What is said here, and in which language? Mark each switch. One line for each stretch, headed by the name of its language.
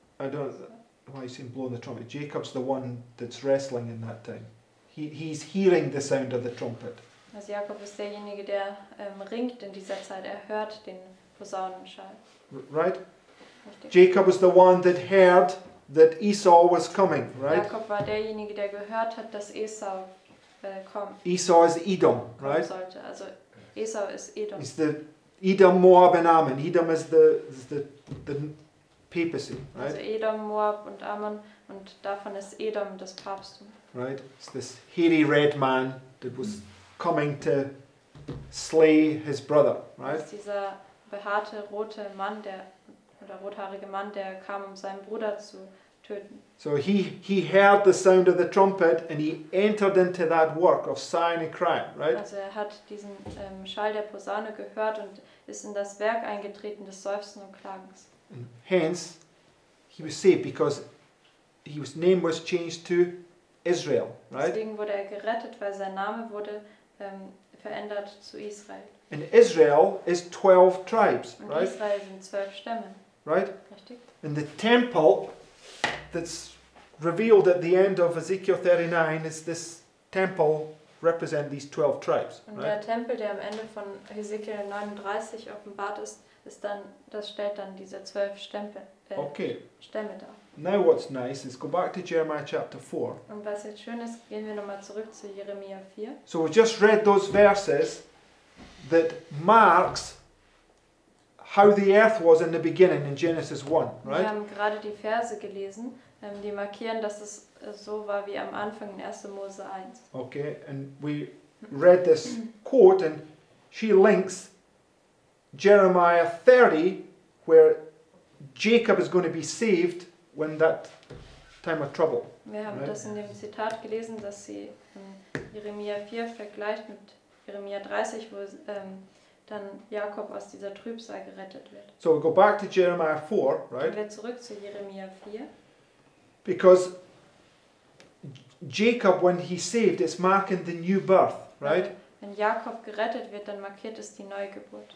English: I don't know why he's seen blowing the trumpet. Jacob's the one that's wrestling in that time. He's hearing the sound of the trumpet.
German: Also Jakob ist derjenige, der ringt in dieser Zeit. Er hört den Posaunenschall.
English: Right?
German: Richtig.
English: Jacob was the one that heard that Esau was coming, right?
German: Jakob war derjenige, der gehört hat, dass Esau kommt.
English: Esau is Edom, right?
German: Sollte. Also Esau ist Edom.
English: He's the Edom, Moab and Ammon. Edom is the papacy, right?
German: Also Edom, Moab und Ammon, und davon ist Edom das Papsttum.
English: Right? It's this hairy red man that was coming to slay his brother, right?
German: Ist dieser behaarte rote Mann, der oder rothaarige Mann, der kam, um seinen Bruder zu töten.
English: So he heard the sound of the trumpet and he entered into that work of sighing and crying, right?
German: Also er hat diesen Schall der Posaune gehört und ist in das Werk eingetreten des Seufzens und Klagens.
English: And hence, he was saved because his name was changed to Israel, right?
German: Deswegen wurde er gerettet, weil sein Name wurde verändert zu Israel.
English: And Israel is 12 tribes,
German: und
English: right?
German: Israel sind 12 Stämme.
English: Right?
German: Richtig.
English: And the temple that's revealed at the end of Ezekiel 39 is this temple represent these 12 tribes.
German: Und der Tempel, der am Ende von Ezekiel 39 offenbart ist, ist dann, das stellt dann diese 12 Stempel,
English: okay.
German: Stämme dar.
English: Now what's nice is go back to Jeremiah chapter 4.
German: Und was jetzt schön ist, gehen wir nochmal zurück zu Jeremia 4.
English: So we just read those verses that marks how the earth was in the beginning in Genesis 1, right?
German: Wir haben gerade die Verse gelesen, die markieren, dass es so war wie am Anfang in 1. Mose 1.
English: Okay, and we read this quote and she links Jeremiah 30, where Jacob is going to be saved when that time of trouble.
German: Wir haben right? das in dem Zitat gelesen, dass sie Jeremia 4 vergleicht mit Jeremia 30, wo dann Jakob aus dieser Trübsal gerettet wird.
English: So we go back to Jeremiah 4, right?
German: Gehen wir zurück zu Jeremia 4.
English: Because Jacob, when he saved, is marking the new birth, right?
German: Wenn Jakob gerettet wird, dann markiert es die Neugeburt.